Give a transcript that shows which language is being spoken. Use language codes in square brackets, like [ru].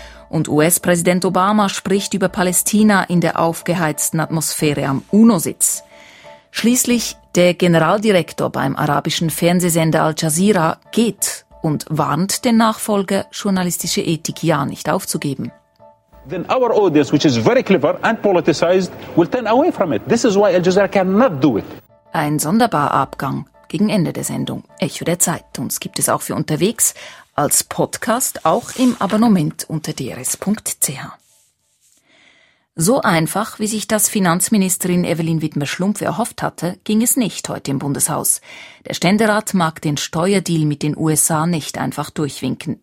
[de] Und US-Präsident Obama spricht über Palästina in der aufgeheizten Atmosphäre am UNO-Sitz. Schließlich, der Generaldirektor beim arabischen Fernsehsender Al Jazeera geht und warnt den Nachfolger, journalistische Ethik ja nicht aufzugeben. [en] Then our audience, which is very clever and politicized, will turn away from it. This is why Al Jazeera cannot do it. [de] Ein sonderbarer Abgang. Gegen Ende der Sendung. Echo der Zeit. Uns gibt es auch für unterwegs als Podcast, auch im Abonnement unter drs.ch. So einfach, wie sich das Finanzministerin Evelyn Widmer-Schlumpf erhofft hatte, ging es nicht heute im Bundeshaus. Der Ständerat mag den Steuerdeal mit den USA nicht einfach durchwinken.